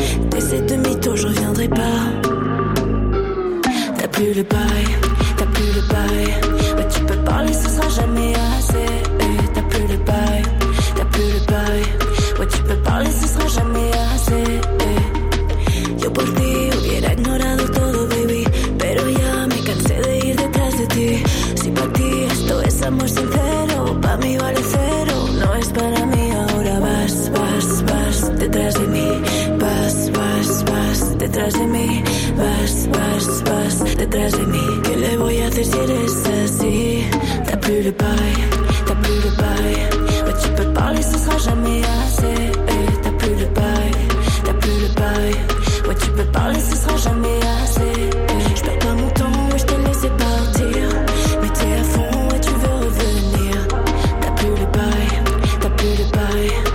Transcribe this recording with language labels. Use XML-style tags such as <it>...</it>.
<fr>Dès cette demi-tour, je reviendrai pas. T'as plus le bail, t'as plus le bail. Mais tu peux parler, ce sera jamais assez. T'as plus le bail, t'as plus le bail. Ouais, tu peux parler, ce sera jamais assez.</fr> <es>Yo por ti hubiera ignorado todo, baby. Pero ya me cansé de ir detrás de ti. Si pa' ti esto es amor sincero, pa' mí vale cero. No es para mí, ahora vas, vas, vas detrás de mí. Vas, vas, vas detrás de mí. Vas, vas, vas detrás de mí. ¿Qué le voy a hacer si eres así?</es> <fr>Da plus le pay, da plus le pay. Tu peux parler, ce sera jamais assez. T'as plus le bail, t'as plus le bail. Ouais, tu peux parler, ce sera jamais assez. J'perds pas mon temps, ouais, j't'ai laissé partir. Mais t'es à fond, ouais, tu veux revenir. T'as plus le bail, t'as plus le bail.</fr>